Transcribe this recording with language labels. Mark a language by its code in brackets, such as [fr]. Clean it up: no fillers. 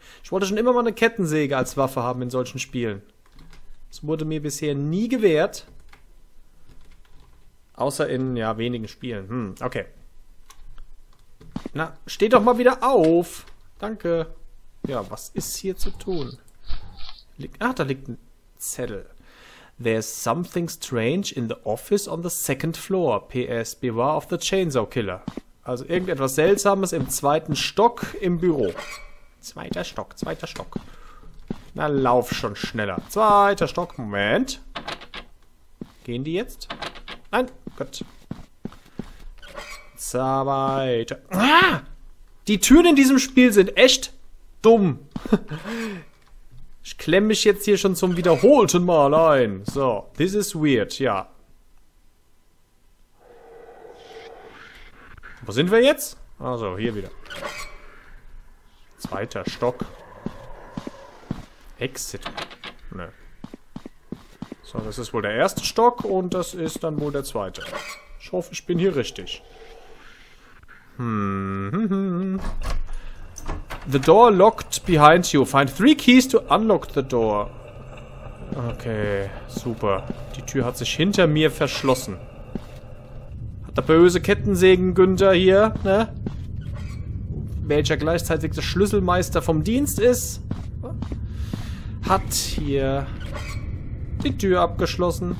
[de] Ich wollte schon immer mal eine Kettensäge als Waffe haben in solchen Spielen. Das wurde mir bisher nie gewährt. Außer in, ja, wenigen Spielen. Hm, okay. Na, steh doch mal wieder auf. Danke. Ja, was ist hier zu tun? Ach, da liegt ein Zettel. [en] There's something strange in the office on the second floor. P.S. Beware of the Chainsaw Killer. [de] Also irgendetwas Seltsames im zweiten Stock im Büro. Zweiter Stock, zweiter Stock. Na, lauf schon schneller. Zweiter Stock, Moment. Gehen die jetzt? Nein, Gott. Zweiter. Ah! Die Türen in diesem Spiel sind echt dumm. Ich klemme mich jetzt hier schon zum wiederholten Mal ein. [en] So, this is weird, ja. [de] Wo sind wir jetzt? Also, hier wieder. Zweiter Stock. Exit. Nö. So, das ist wohl der erste Stock und das ist dann wohl der zweite. Ich hoffe, ich bin hier richtig. [en] The door locked behind you. Find three keys to unlock the door. [de] Okay, super. Die Tür hat sich hinter mir verschlossen. Hat der böse Kettensägen Günther hier, ne? Welcher gleichzeitig der Schlüsselmeister vom Dienst ist, hat hier die Tür abgeschlossen.